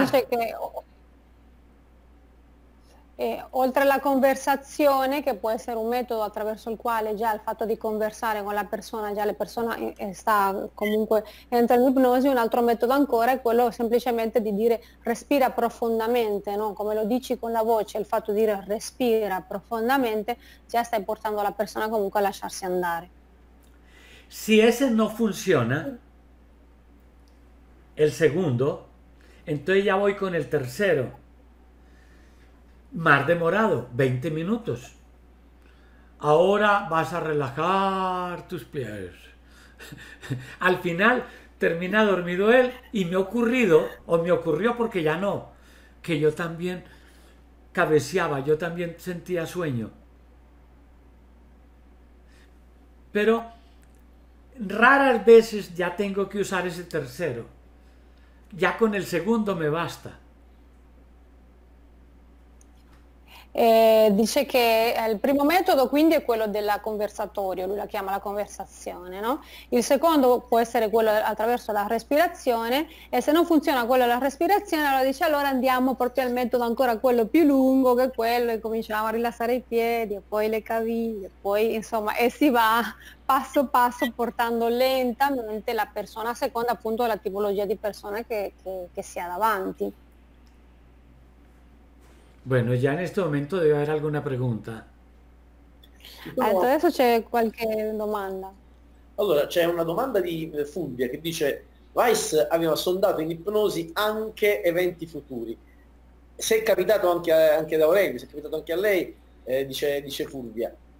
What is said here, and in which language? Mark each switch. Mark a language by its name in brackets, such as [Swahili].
[Spanish] Dice que, [Italian] oltre alla conversazione, che può essere un metodo attraverso il quale già il fatto di conversare con la persona, già la persona sta comunque entra in ipnosi, un altro metodo ancora è quello semplicemente di dire respira profondamente, no? Come lo dici con la voce, il fatto di dire respira profondamente, già stai portando la persona comunque a lasciarsi andare. [Spanish] Si ese no funziona, el segundo, entonces ya voy con el tercero, más demorado, 20 minutos. Ahora vas a relajar tus pies. Al final termina dormido él y me ha ocurrido, o me ocurrió porque ya no, que yo también cabeceaba, yo también sentía sueño. Pero raras veces ya tengo que usar ese tercero. Ya con el segundo me basta. [Italian] Dice che il primo metodo quindi è quello del conversatorio, lui la chiama la conversazione, no? Il secondo può essere quello attraverso la respirazione, e se non funziona quello della respirazione, allora dice allora andiamo proprio al metodo ancora quello più lungo che quello, e cominciamo a rilassare i piedi e poi le caviglie, poi insomma, e si va passo passo portando lentamente la persona a seconda appunto della tipologia di persona che si ha davanti. [Spanish] Bueno, ya en este momento debe haber alguna pregunta. [Italian] Adesso c'è qualche domanda. Allora, c'è una domanda di Fulvia che dice: Weiss aveva sondato in ipnosi anche eventi futuri. Se è capitato anche da Aurelio, se è capitato anche a lei, dice Fulvia.